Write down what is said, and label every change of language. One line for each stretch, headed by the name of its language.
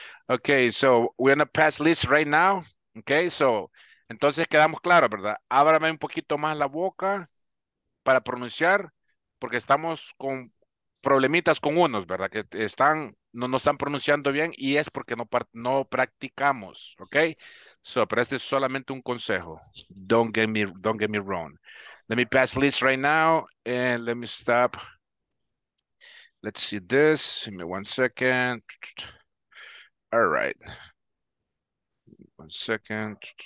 English: Okay, so we're on a pass list right now.
Spanish: Okay, so entonces quedamos claros, ¿verdad? Ábrame un poquito más la boca para pronunciar, porque estamos con problemitas con unos, ¿verdad? Que están... No están pronunciando bien y es porque no practicamos, ¿ok? So, pero este es solamente un consejo.
English: Don't get me wrong. Let me pass list right now and let me stop. Let's see this. Give me 1 second. All right. 1 second.